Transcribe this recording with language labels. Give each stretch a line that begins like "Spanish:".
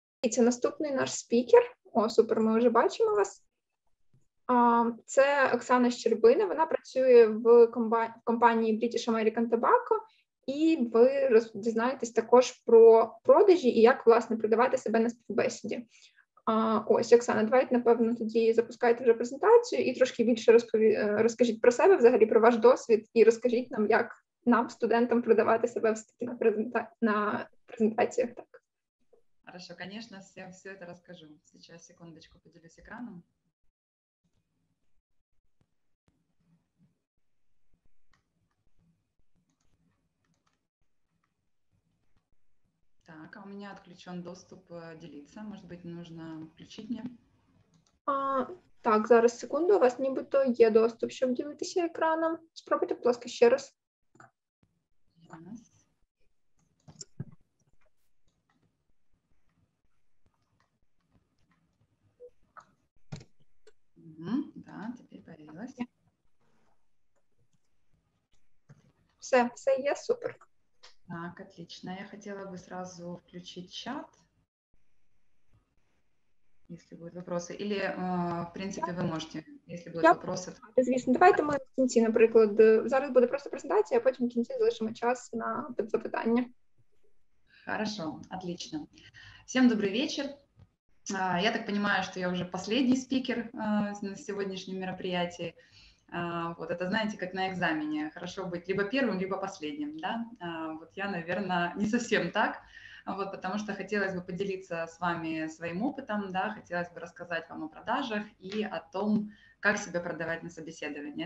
Ukrainian: Це наступний наш спікер. О, супер, ми вже бачимо вас. Це Оксана Щербина. Вона працює в компанії British American Tobacco. І ви дізнаєтесь також про продажі і як, власне, продавати себе на співбесіді. Ось, Оксана, давайте, напевно, тоді запускайте вже презентацію і трошки більше розкажіть про себе, взагалі про ваш досвід, і розкажіть нам, як нам, студентам, продавати себе все-таки на презентаціях. Так.
Russian: Хорошо, конечно, я все это расскажу. Сейчас, секундочку, поделюсь экраном. Так, а у меня отключен доступ делиться. Может быть, нужно включить мне?
Ukrainian: Так, зараз, секунду, у вас нібито є доступ, щоб ділитися екраном. Спробуйте, будь ласка, ще раз.
English: Yes.
Russian: Да, теперь появилось.
Ukrainian: Все, все є, супер.
Russian: Так, отлично. Я хотела бы сразу включить чат, если будут вопросы. Или, в принципе, вы можете, если будут вопросы.
Ukrainian: Звісно, давайте ми в кінці, наприклад, зараз буде просто презентація, а потім в кінці залишимо час на запитання.
Russian: Хорошо, отлично. Всем добрый вечер. Я так понимаю, что я уже последний спикер на сегодняшнем мероприятии. Вот это, знаете, как на экзамене. Хорошо быть либо первым, либо последним, да? Вот я, наверное, не совсем так, вот, потому что хотелось бы поделиться с вами своим опытом, да, хотелось бы рассказать вам о продажах и о том, как себя продавать на собеседовании.